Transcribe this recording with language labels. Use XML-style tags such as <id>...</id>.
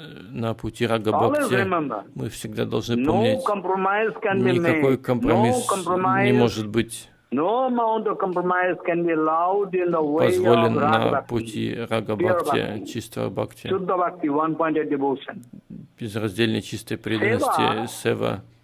<ru>На пути Рага Бхакти мы всегда должны помнить.</ru> <en>No compromise can be made.</en> <ru>Никакой компромисс не может быть.</ru> <en>No amount of compromise can be allowed in the way of Raga Bhakti.</en> <ru>Раго Бхакти, чистого Бхакти. Шудха Бхакти,</ru> <en>one-pointed devotion.</en> <ru>Безраздельной чистой преданности, сева.</ru>